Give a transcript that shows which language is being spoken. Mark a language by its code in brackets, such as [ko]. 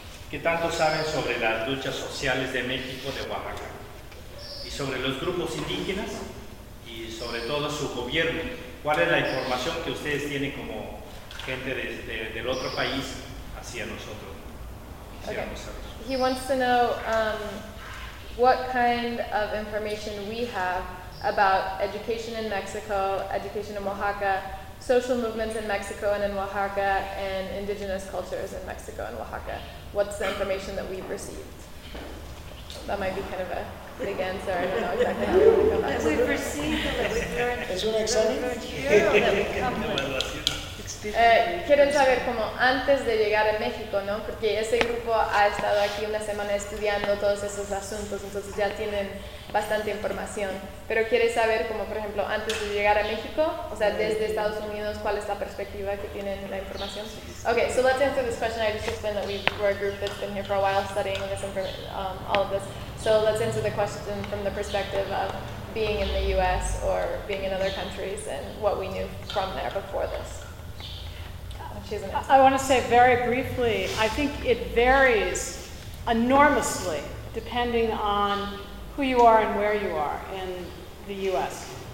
[es] ¿Qué tanto saben sobre las luchas sociales de México, de Oaxaca? Y sobre los grupos indígenas y sobre todo su gobierno. ¿Cuál es la información que ustedes tienen como gente del otro país hacia nosotros? [en] Okay. He wants to know what kind of information we have about education in Mexico, education in Oaxaca, social movements in Mexico and in Oaxaca, and indigenous cultures in Mexico and Oaxaca. What's the information that we've received? That might be kind of a big answer. I don't know exactly how to come back. That we've received, that we've learned. Is that exciting? That we've come with. [es] Quieren saber cómo antes de llegar a México, ¿no? Porque ese grupo ha estado aquí una semana estudiando todos esos asuntos, entonces ya tienen bastante información. Pero quiere saber cómo, por ejemplo, antes de llegar a México, o sea, desde Estados Unidos, ¿cuál es la perspectiva que tienen la información? [en] Okay, so let's answer this question. I just explained that we're a group that's been here for a while studying this all of this. So let's answer the question from the perspective of being in the U.S. or being in other countries and what we knew from there before this. I want to say very briefly, I think it varies enormously depending on who you are and where you are in the U.S.